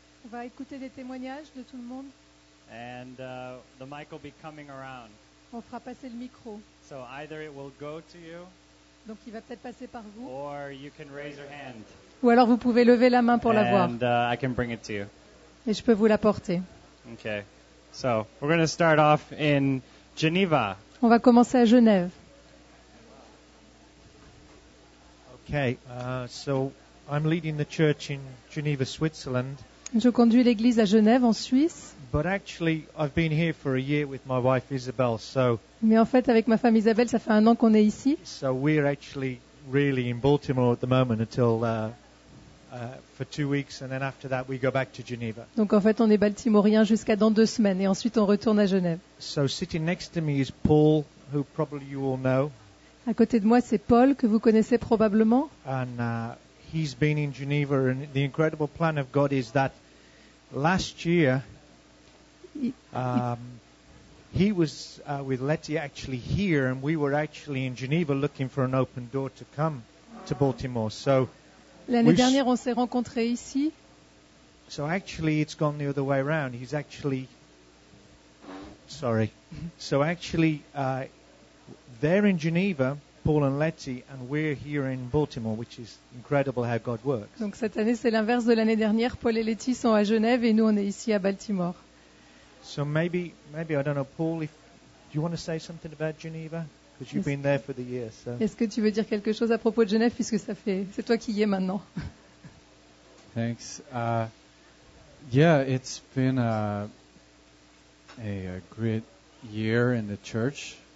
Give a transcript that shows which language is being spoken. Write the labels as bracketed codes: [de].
[fr] On va écouter des témoignages de tout le monde. [en] And the mic will be coming around. [fr] On fera passer le micro. [en] So either it will go to you. [fr] Donc il va peut-être passer par vous. [en] Or you can raise your hand. [fr] Ou alors vous pouvez lever la main pour [en] and, [fr] la voir. [en] And I can bring it to you. [fr] Et je peux vous la porter. [en] Okay. So we're going to start off in Geneva. [fr] On va commencer à Genève. [en] Okay, so I'm leading the church in Geneva, Switzerland. [fr] Je conduis l'église à Genève, en Suisse. [en] But actually, I've been here for a year with my wife Isabel. So. [fr] Mais en fait, avec ma femme Isabelle, ça fait un an qu'on est ici. [en] So we're actually really in Baltimore at the moment until for 2 weeks, and then after that, we go back to Geneva. [fr] Donc en fait, on est baltimorien jusqu'à dans 2 semaines, et ensuite on retourne à Genève. [en] So sitting next to me is Paul, who probably you all know. [fr] À côté de moi, c'est Paul, que vous connaissez probablement. [en] And he's been in Geneva, and the incredible plan of God is that last year, he was with Letty actually here, and we were actually in Geneva looking for an open door to come to Baltimore. So, [fr] l'année dernière, on s'est rencontrés ici. [en] So actually, it's gone the other way around. He's actually, sorry. So actually, they're in Geneva, Paul and Letty, and we're here in Baltimore, which is incredible how God works. [fr] Donc cette année, c'est l'inverse de l'année dernière. Paul et Letty sont à Genève et nous, on est ici à Baltimore. [en] So maybe I don't know, Paul, if do you want to say something about Geneva? Because you've been there for the year. So. [fr] Est-ce que tu veux dire quelque chose à propos de Genève, puisque ça fait c'est toi qui y es maintenant? [en] Thanks. Yeah, it's been a great year in the church.